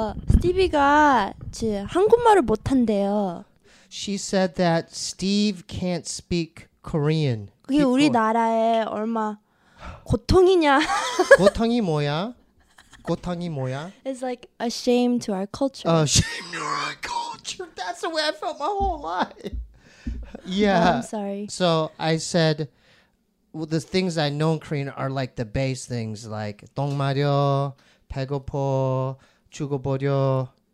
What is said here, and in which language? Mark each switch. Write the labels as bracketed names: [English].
[Korean] 스티비가 한국말을 못한대요. [English] She said that Steve can't speak Korean. [Korean] 그게 우리나라에 얼마 고통이냐? 고통이 뭐야? 고통이 뭐야? [English] It's like a shame to our culture. Oh, shame to our culture. That's the way I felt my whole life. Yeah. Oh, I'm sorry. So I said, well, the things I know in Korean are like the base things like [Korean] 똥마려, 배고파, 죽어버려.